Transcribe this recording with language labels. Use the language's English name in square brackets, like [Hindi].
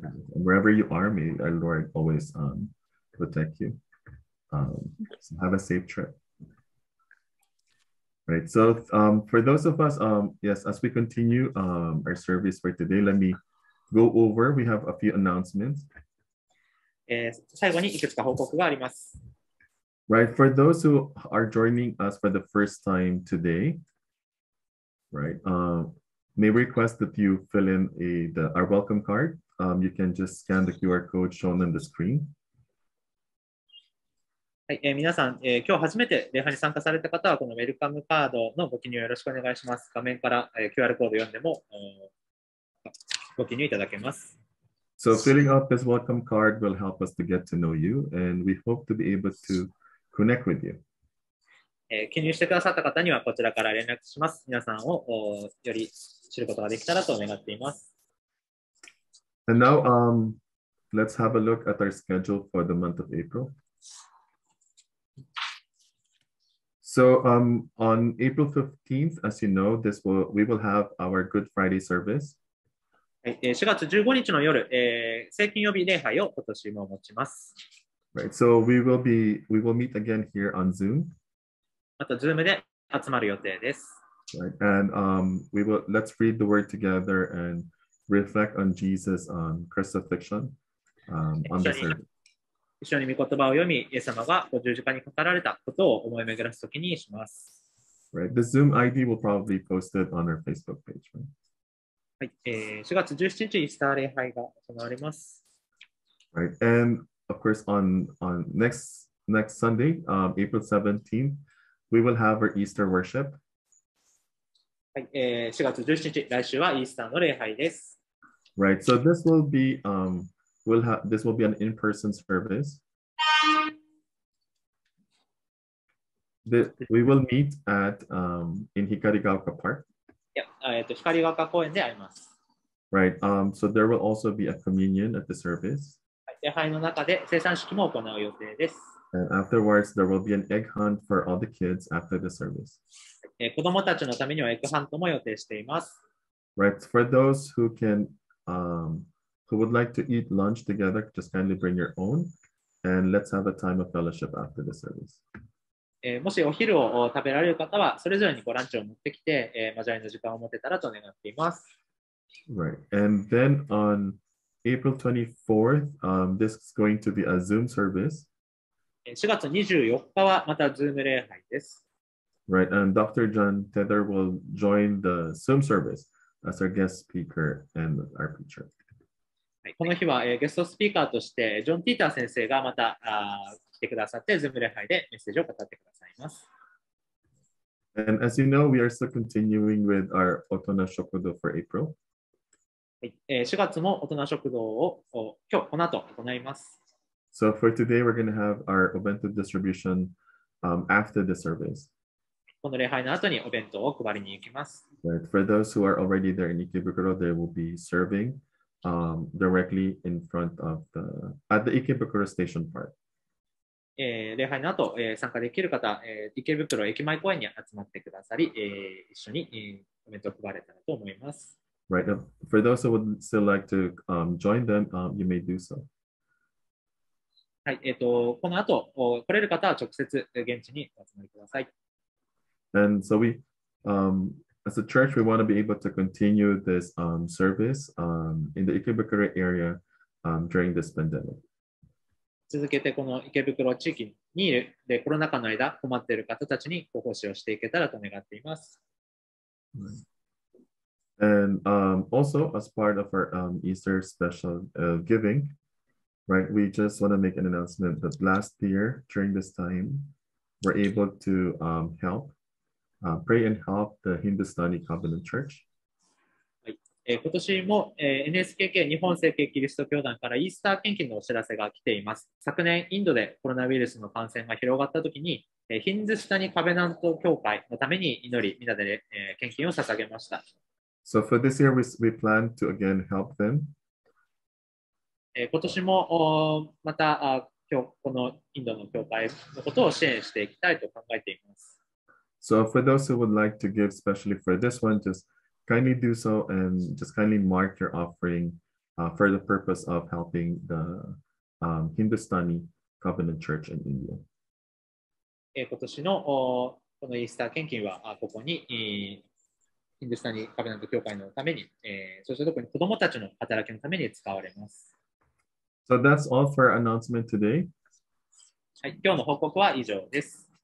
[English] And wherever you are, may our Lord always protect you. So have a safe trip. Right. So for those of us, yes, as we continue our service for today, let me go over. We have a few announcements. [Japanese] 最後にいくつか報告があります。 [English] Right, for those who are joining us for the first time today, right, may request that you fill in our welcome card. You can just scan the QR code shown on the screen. [Japanese] はい、皆さん、今日初めて礼拝に参加された方は、このウェルカムカードのご記入よろしくお願いします。画面から、QR コード読んでも、ご記入いただけます。 [English] So filling up this welcome card will help us to get to know you, and we hope to be able toConnect with you. [Japanese] 記入してくださった方にはこちらから連絡します。皆さんをより知ることができたらと願っています。 [English] And now, let's have a look at our schedule for the month of April. So, on April 15th, as you know, we will have our Good Friday service. [Japanese] 4月15日の夜、聖金曜日礼拝を今年も持ちます。 [English] Right, so we will meet again here on Zoom. [Japanese] また Zoom で集まる予定です。 [English] Right, and let's read the word together and reflect on Jesus on crucifixion on this earth. [Japanese] 一緒に御言葉を読み、イエス様がご十字架にかかられたことを思い巡らすときにします。 [English] Right. The Zoom ID will probably be posted on our Facebook page. Right. [Japanese] はい、4月17日、イースター礼拝が行われます。 [English] Right. And of course, on next Sunday, April 17th, we will have our Easter worship. [Japanese] はい、4月17日、来週はイースターの礼拝です。 [English] Right. So this will be, this will be an in-person service. We will meet at in Hikarigaoka Park. [Japanese] Yeah, Hikarigaoka 公園で会います。 [English] Right. So there will also be a communion at the service. [Japanese] 礼拝の中で聖餐式も行う予定です。 [English] And afterwards, there will be an egg hunt for all the kids after the service. [Japanese] 子供たちのためにはエッグハントも予定しています。 [English] Right. For those who can, who would like to eat lunch together, just kindly bring your own, and let's have a time of fellowship after the service. [Japanese] もしお昼を食べられる方は、それぞれにごランチを持ってきて、交わりの時間を持てたらと願っています。 [English] Right. And then on April 24th, this is going to be a Zoom service. [Japanese] 4月24日はまた Zoom 礼拝です。 [English] Right. And Dr. John Tether will join the Zoom service as our guest speaker and our preacher. [Japanese] はい、この日は、ゲストスピーカーとして、ジョン・ティーター先生がまた来てくださって、ズーム礼拝でメッセージを語ってくださいます。 [English] And as you know, we are still continuing with our 大人食堂 for April.、 [Japanese] はい、4月も大人食堂を今日この後行います。 [English] So for today, we're going to have our お弁当 distribution、after the service. [Japanese] この礼拝の後にお弁当を配りに行きます。 [English] Right. For those who are already there in Ikebukuro, they will be servingdirectly in front of at the Ikebukuro Station Park. [Japanese] 礼拝の後、参加できる方、池袋駅前公園に集まってくださり、一緒に、コメントを配れたらと思います。 [English] Right. For those who would still like to join them, you may do so. [Japanese] はい。この後、来れる方は直接現地にお集まりください。 [English] And so we, As a church, we want to be able to continue this service in the Ikebukuro area during this pandemic. [Japanese] 続けてこの池袋地域にいるでコロナ禍の間困っている方たちにご奉仕をしていけたらと願っています。 [English] Right. And also as part of our Easter special giving, right, we just want to make an announcement that last year during this time, we're able to help. Pray and help the Hindustani Covenant Church. [Japanese] 今年も NSKK 日本聖経キリスト教団からイースター献金のお知らせが来ています。昨年インドでコロナウイルスの感染が広がったときに、ヒンズスタニカベナント教会のために祈り、みんなで、献金を捧げました。 [English] So for this year, we plan to again help them. [Japanese] 今年もまた今日このインドの教会のことを支援していきたいと考えています。 [English] So for those who would like to give specially for this one, just kindly do so and just kindly mark your offering for the purpose of helping the Hindustani Covenant Church in India. [Japanese] 今年のこのイースター献金はここにヒンドゥスタニカベナント教会のために、そして特に子どもたちの働きのために使われます。 [English] So that's all for our announcement today. [Japanese] はい、今日の報告は以上です。